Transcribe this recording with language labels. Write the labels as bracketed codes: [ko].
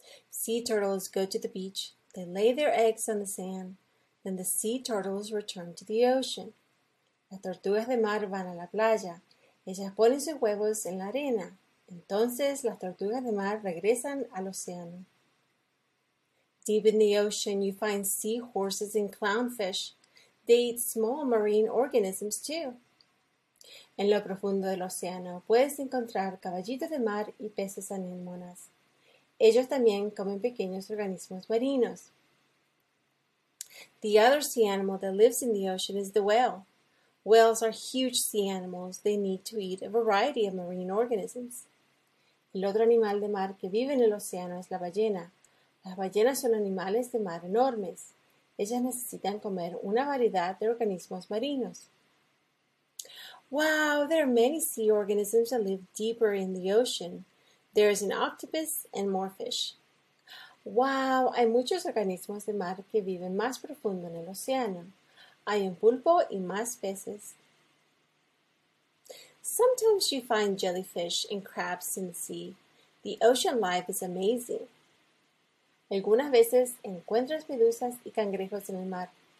[en] Sea turtles go to the beach. They lay their eggs on the sand. Then the sea turtles return to the ocean. [es] Las tortugas de mar van a la playa. Ellas ponen sus huevos en la arena. Entonces, las tortugas de mar regresan al océano. [en] Deep in the ocean, you find seahorses and clownfish. They eat small marine organisms, too. [es] En lo profundo del océano, puedes encontrar caballitos de mar y peces anémonas. Ellos también comen pequeños organismos marinos. [en] The other sea animal that lives in the ocean is the whale. Whales are huge sea animals. They need to eat a variety of marine organisms. [es] El otro animal de mar que vive en el océano es la ballena. Las ballenas son animales de mar enormes. Ellas necesitan comer una variedad de organismos marinos. [en] Wow, there are many sea organisms that live deeper in the ocean. There is an octopus and more fish. [es] Wow, hay muchos organismos de mar que viven más profundo en el océano. Hay un pulpo y más peces. [en] Sometimes you find jellyfish and crabs in the sea. The ocean life is amazing. [es] Algunas veces encuentras medusas y cangrejos en el mar.